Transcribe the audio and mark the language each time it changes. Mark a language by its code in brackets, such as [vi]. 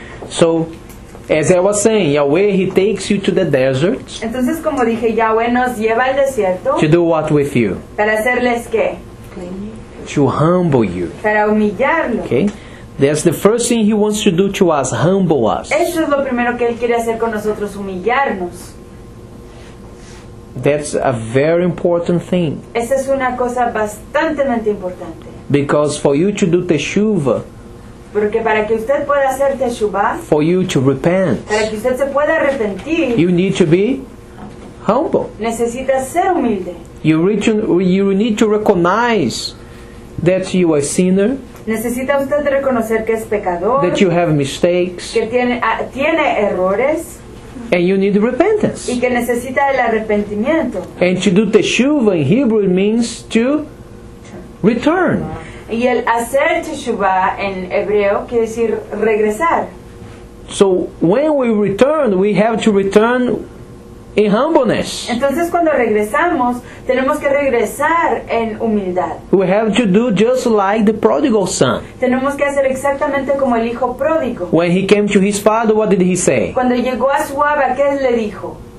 [en] So, as I was saying, Yahweh, he takes you to the desert. [es] Entonces, como dije, Yahweh nos lleva al desierto. [en] To do what with you? [es] Para hacerles qué? [en] To humble you. [es] Para humillarlo. [en] Okay? That's the first thing he wants to do to us, humble us. [es] Eso es lo primero que él quiere hacer con nosotros, humillarnos. [en] That's a very important thing. [es] Esa es una cosa bastantemente importante. [en] Because for you to do teshuva, [es] porque para que usted pueda hacer teshuva, [en] for you to repent, [es] para que usted se pueda arrepentir, [en] you need to be humble. [es] Necesita ser humilde. [en] You need to recognize that you are a sinner. [es] Necesita usted reconocer que es pecador. [en] That you have mistakes. [es] Que tiene errores. [en] And you need repentance. [es] Y que necesita el arrepentimiento. [en] And to do teshuva in Hebrew means to return. [es] Y el hacer teshuva en hebreo quiere decir regresar. [en] So when we return, we have to return in humbleness. [es] Entonces cuando regresamos, tenemos que regresar en humildad. [en] We have to do just like the prodigal son. [es] Tenemos que hacer exactamente como el hijo pródigo. [en] When he came to his father, what did he say? [es] Cuando llegó a su abba, ¿qué le dijo?